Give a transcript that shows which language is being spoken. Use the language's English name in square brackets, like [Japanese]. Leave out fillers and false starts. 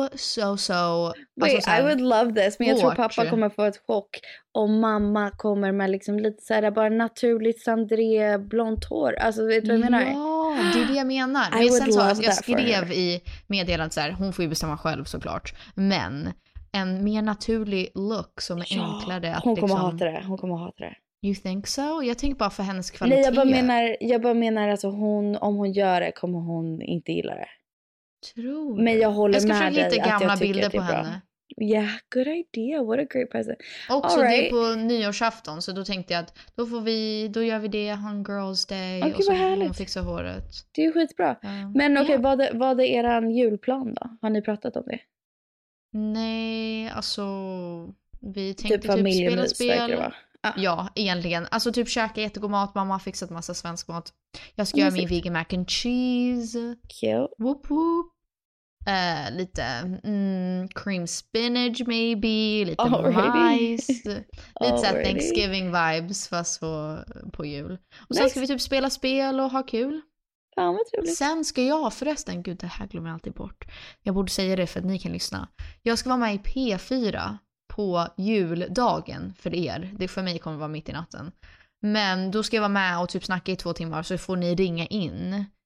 [English] Wait, [Swedish] alltså, såhär, [English] I would love this. [Swedish] Men jag tror pappa kommer få ett chock. Om mamma kommer med liksom lite såhär bara naturligt Sandré blont hår. Alltså vet du vad jag menar? Ja, det är det jag menar. Men sen så, jag skrev i meddelandet såhär. Hon får ju bestämma själv såklart. Men... en mer naturlig look som är enklare att hon liksom... hon kommer hata det. [English] You think so? [Swedish] Jag tänker bara för hennes kvalitet. Nej, jag bara menar alltså hon, om hon gör det kommer hon inte gilla det. Tror du? Men jag håller med dig. Jag ska försöka hitta gamla bilder på henne. [English] Yeah, good idea. What a great present. [Swedish] Och så det är på nyårsafton så då tänkte jag att då gör vi det on Girls Day. Okej, [English] okay, [Swedish] vad härligt. Hon fixar håret. Det är skitbra. Men okej, [English] okay, yeah. [Swedish] Vad är eran julplan då? Har ni pratat om det? Nej, alltså vi tänkte typ spela spel. Ah. Ja, egentligen. Alltså typ käka jättegod mat, mamma har fixat massa svensk mat. Jag ska göra min vegan mac and cheese. [English] Cute. Whoop whoop. Lite cream spinach maybe, lite already. [Swedish] Majs. Lite såhär Thanksgiving vibes fast på jul. Och sen nice. Ska vi typ spela spel och ha kul. Fan vad trevligt. Sen ska jag förresten, gud det här glömmer jag alltid bort. Jag borde säga det för att ni kan lyssna. Jag ska vara med i P4 på juldagen för er. Det för mig kommer vara mitt i natten. Men då ska jag vara med och typ snacka i 2 timmar så får ni ringa in.